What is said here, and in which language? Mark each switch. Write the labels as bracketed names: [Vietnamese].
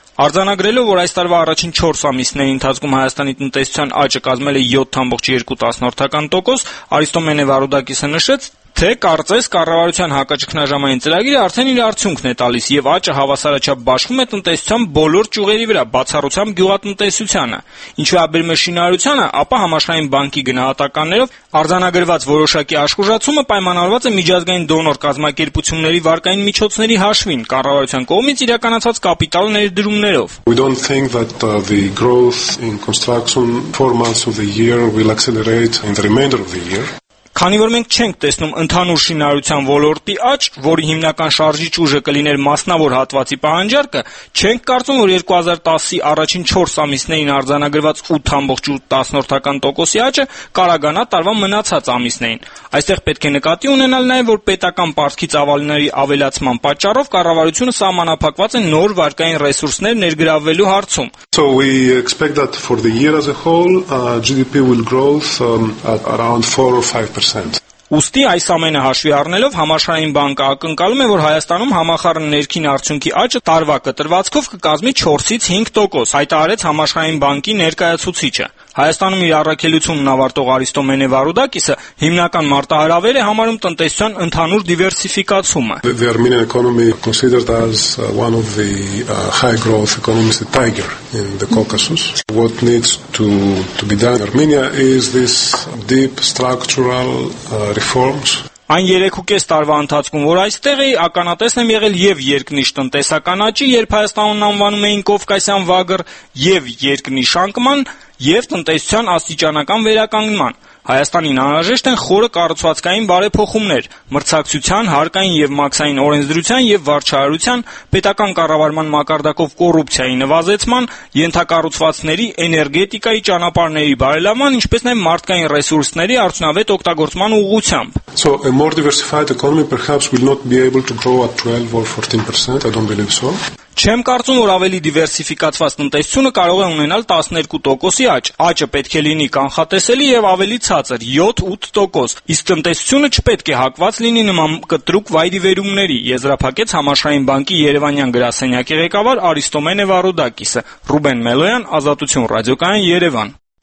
[Armenian] Արձանագրելով, որ այս տարվա առաջին 4 ամիսների ընթացքում Հայաստանի տնտեսության աճը կազմել է 7.2%, Արիստոմենե Վարուդակիսը նշեց, թե կարծես կառավարության հակաճգնաժամային ծրագիրը արդեն իր արդյունքն է տալիս և աճը հավասարաչափ բաշխում է տնտեսության բոլոր ճյուղերի վրա, բացառությամբ գյուղատնտեսությանը։ Ինչ վերաբերում է շինարարությանը, ապա համաշխարհային բանկի գնահատականներով արձանագրված որոշակի աշխուժացումը պայմանավորված է միջազգային դոնոր կազմակերպությունների վարկային միջոցների հաշվին, կառավարության կողմից իրականացած կապիտալ ներդրումներով։ [English] We don't think that the growth in construction 4 months of the year will accelerate in the remainder of the year. [Armenian] Քանի որ մենք չենք տեսնում ընդհանուր շինարարության ոլորտի աճ, որի հիմնական շարժիչ ուժը կլիներ մասնավոր հատվածի պահանջարկը, չենք կարծում, որ 2010-ի առաջին 4 ամիսներին արձանագրված 8.8%-ի աճը կարողանա տարվա մնացած ամիսներին։ Այստեղ պետք է նկատի ունենալ նաև, որ պետական պարտքի ծավալների ավելացման պատճառով կառավարությունը սահմանափակված է նոր վարկային ռեսուրսներ ներգրավելու հարցում։ [English] So we expect that for the year as a whole, GDP will grow at around 4 or 5%. [Armenian] Ուստի այս ամենը հաշվի առնելով համաշխարհային բանկը ակնկալում է, որ Հայաստանում համախառն ներքին արդյունքի աճը տարվա կտրվածքով կկազմի 4-5%, հայտարարեց համաշխարհային բանկի ներկայացուցիչը։ Հայաստանում իր առաքելությունն ավարտող Արիստոմենե Վարուդակիսը հիմնական մարտահրավեր է համարում տնտեսության ընդհանուր դիվերսիֆիկացումը։ [English] The Armenian economy is considered as one of the high growth economies, the tiger in the Caucasus. What needs to be done in Armenia is this deep structural reforms. [Armenian] Այն 3.5 տարվա ընթացքում, որ այստեղ էի, ականատես եմ եղել և երկնիշ տնտեսական աճի, երբ Հայաստանն անվանում էին Կովկասյան վագր, և երկնիշ շանկման, և տնտեսության աստիճանական վերականգնման։ Հայաստանին անհրաժեշտ են խորը կառուցվածքային բարեփոխումներ, մրցակցության, հարկային և մաքսային օրենսդրության և վարչարարության, պետական կառավարման մակարդակով կոռուպցիայի նվազեցման, ենթակառուցվածքների, էներգետիկայի ճանապարհների բարելավման, ինչպես նաև մարդկային ռեսուրսների արդյունավետ օգտագործման ուղղությամբ։ [English] So a more diversified economy perhaps will not be able to grow at 12 or 14%, I don't believe so. [Armenian] Չեմ կարծում, որ ավելի դիվերսիֆիկացված տնտեսությունը կարող է ունենալ 12% աճ։ Աճը պետք է լինի կանխատեսելի և ավելի ցածր 7-8%, իսկ տնտեսությունը չպետք է հակված լինի նման կտրուկ վայրի վերումների, եզրափակեց համաշխարհային բանկի Երևանյան գրասենյակի ղեկավար Արիստոմենե Վարուդակիսը։ Ռուբեն Մելոյան, Ազատություն ռադիոկայան, Երևան։